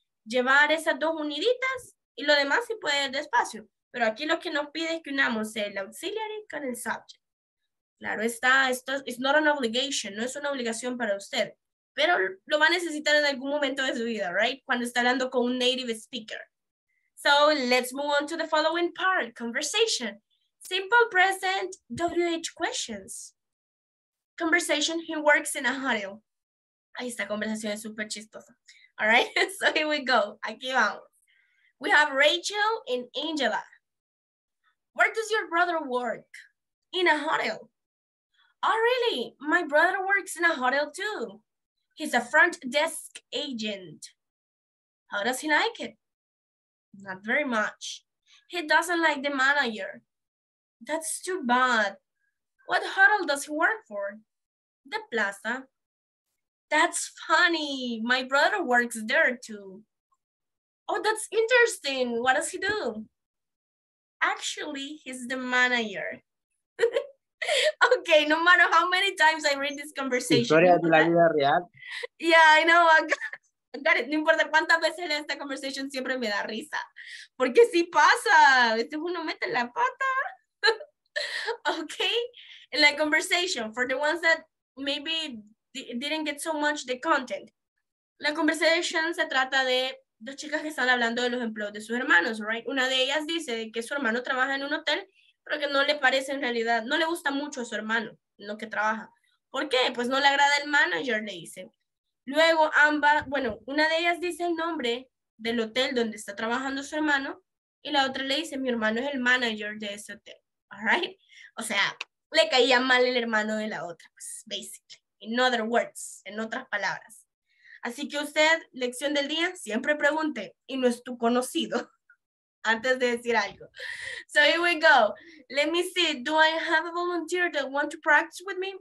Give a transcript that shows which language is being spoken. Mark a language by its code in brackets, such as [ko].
[es] Llevar esas dos uniditas y lo demás si puede ir despacio. Pero aquí lo que nos pide es que unamos el auxiliary con el subject. Claro está, esto [en] is not an obligation, [es] no es una obligación para usted. Pero lo va a necesitar en algún momento de su vida, right? Cuando está hablando con un native speaker. [en] So let's move on to the following part, conversation. Simple present WH questions. Conversation, he works in a hotel. [es] Ahí está, conversación es súper chistosa. [en] All right, so here we go, [es] aquí vamos. [en] We have Rachel and Angela. Where does your brother work? In a hotel. Oh, really? My brother works in a hotel too. He's a front desk agent. How does he like it? Not very much. He doesn't like the manager. That's too bad. What hotel does he work for? The Plaza. That's funny. My brother works there too. Oh, that's interesting. What does he do? Actually, he's the manager. Okay, no matter how many times I read this conversation. [es] Historia de la vida real. [en] Yeah, I know. I got it. [es] No importa cuántas veces esta conversación siempre me da risa. Porque sí pasa. Este uno mete la pata. Okay. [en] In the conversation, for the ones that maybe didn't get so much the content. [es] La conversación se trata de dos chicas que están hablando de los empleos de sus hermanos, right? Una de ellas dice que su hermano trabaja en un hotel, pero que no le parece en realidad, no le gusta mucho a su hermano lo que trabaja. ¿Por qué? Pues no le agrada el manager, le dice. Luego ambas, bueno, una de ellas dice el nombre del hotel donde está trabajando su hermano y la otra le dice, mi hermano es el manager de ese hotel, [en] all right? [es] O sea, le caía mal el hermano de la otra, pues, basically. [en] In other words, [es] en otras palabras. Así que usted, lección del día, siempre pregunte, y no es tu conocido, antes de decir algo. [en] So here we go. Let me see, do I have a volunteer that wants to practice with me?